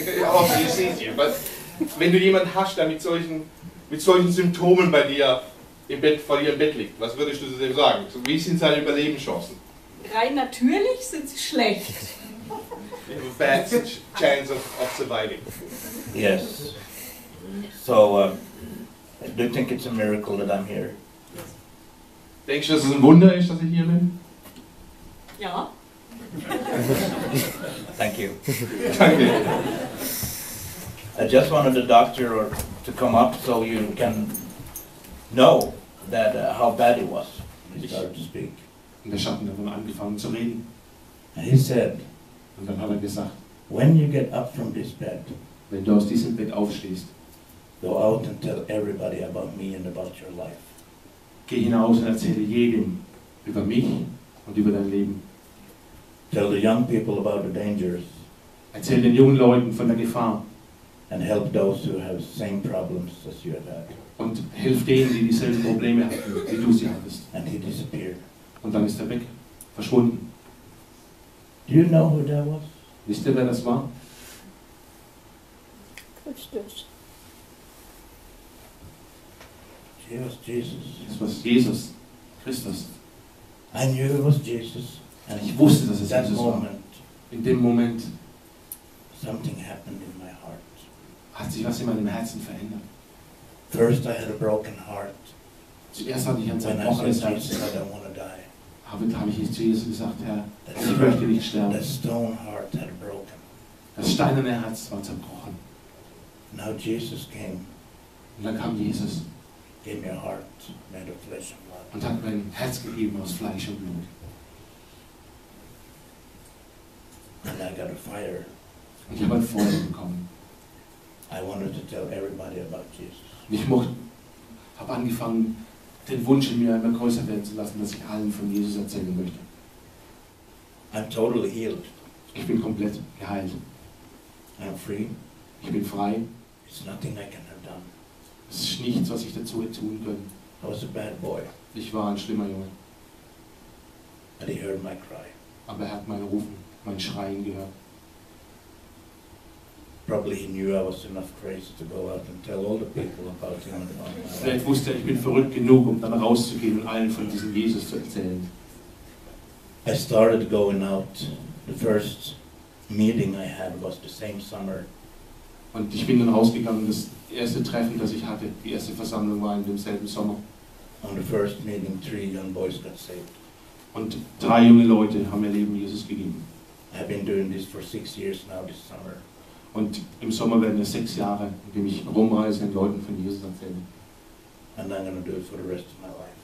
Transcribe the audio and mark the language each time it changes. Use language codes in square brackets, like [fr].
[en] Obviously, she sees you. But [de] wenn du jemanden hast, der mit solchen Symptomen bei dir im Bett, vor dir im Bett liegt, was würdest du zu dem sagen? So, wie sind seine Überlebenschancen? Rein natürlich sind sie schlecht. [en] You have a bad chance of surviving. Yes. So, do you think it's a miracle that I'm here? Yes. [de] Denkst du, dass es ein Wunder ist, dass ich hier bin? Ja. [en] Thank you. Thank you. I just wanted the doctor to come up so you can know that how bad it was. He started to speak. [de] Und er hat davon angefangen zu reden. [en] And he said, [de] und dann hat er gesagt, [en] when you get up from this bed, [de] wenn du aus diesem Bett aufstehst, [en] go out and tell everybody about me and about your life. [de] Geh hinaus und erzähle jedem über mich und über dein Leben. [en] Tell the young people about the dangers. [de] Erzähl den jungen Leuten von der Gefahr. [en] And help those who have the same problems as you have had. [de] Und hilf denen, die dieselben Probleme hatten, wie du sie hattest. [en] And he disappeared. [de] Und dann ist weg, verschwunden. [en] Do you know who that was? [de] Wisst ihr, wer das war? Christus. Jesus. Es war Jesus Christus. [en] I knew it was Jesus. [de] Und ich wusste, dass es [en] that Jesus moment, [de] war. In dem Moment [en] something happened in my heart. [de] Hat sich was in meinem Herzen verändert. [en] First I had a broken heart. [de] Zuerst hatte ich ein zerbrochenes Herz. Habe ich zu Jesus gesagt, Herr, ich möchte nicht sterben. [en] That stone heart had broken. [de] Das steinerne Herz war zerbrochen. [en] Now Jesus came. [de] Und dann kam Jesus. [en] Gave me a heart made of flesh and blood. [de] Und hat mein Herz gegeben aus Fleisch und Blut. [en] I got a fire. [de] Und ich habe ein Feuer bekommen. [en] I wanted to tell everybody about Jesus. [de] Ich habe angefangen, den Wunsch in mir immer größer werden zu lassen, dass ich allen von Jesus erzählen möchte. [en] I'm totally healed. [de] Ich bin komplett geheilt. [en] I'm free. [de] Ich bin frei. [en] It's nothing I can have done. [de] Es ist nichts, was ich dazu hätte tun können. [en] I was a bad boy. [de] Ich war ein schlimmer Junge. [en] But he heard my cry. [de] Aber er hat meinen Rufen, mein Schreien gehört. [en] Probably he knew I was enough crazy to go out and tell all the people about him and about my life. [de] Vielleicht wusste er, ich bin verrückt genug, um dann rauszugehen und allen von diesem Jesus zu erzählen. [en] I started going out. The first meeting I had was the same summer. [de] Und ich bin dann rausgegangen. Das erste Treffen, das ich hatte, die erste Versammlung war in demselben Sommer. [en] On the first meeting, three young boys got saved. [de] Und drei junge Leute haben ihr Leben Jesus gegeben. [en] I've been doing this for 6 years now this summer. [de] Und im Sommer werden es 6 Jahre, in dem ich rumreise und Leuten von Jesus erzähle. [en] And I'm gonna do it for the rest of my life.